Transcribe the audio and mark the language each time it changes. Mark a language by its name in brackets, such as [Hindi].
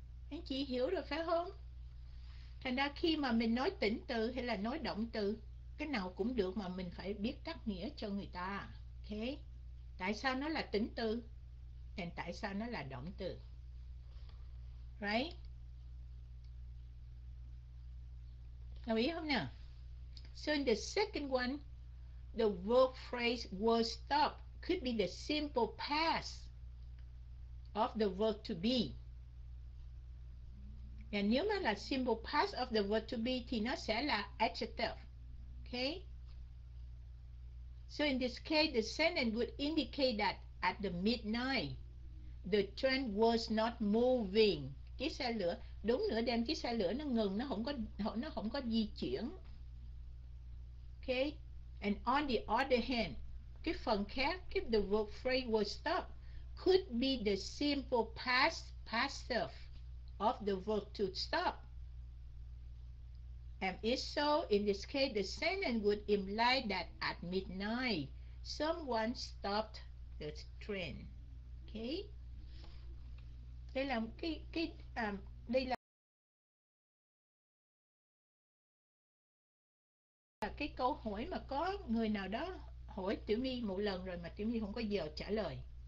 [Vietnamese] Anh chị hiểu rồi phải không? Thành ra khi mà mình nói tĩnh từ hay là nói động từ, cái nào cũng được mà mình phải biết cắt nghĩa cho người ta. Ok, tại sao nó là tĩnh từ thì tại sao nó là động từ, right? Đồng ý không nào? [English] So in the second one, the verb phrase was stop could be the simple past of the verb to be. [Vietnamese] Và nếu mà là [English] simple past of the verb to be [Vietnamese] thì nó sẽ là adjective. [English] Okay? So in this case, the sentence would indicate that at the midnight, the train was not moving. [Vietnamese] Chiếc xe lửa, đúng nửa đêm chiếc xe lửa nó ngừng, nó không có di chuyển. [English] Okay? And on the other hand, [Vietnamese] cái phần khác, [English] if the verb phrase was stopped, could be the simple past passive of the verb to stop. And if so, in this case, the sentence would imply that at midnight, someone stopped the train. Okay? [Vietnamese] Đây là cái câu hỏi mà có người nào đó hỏi Tiểu My một lần rồi mà Tiểu My không có giờ trả lời.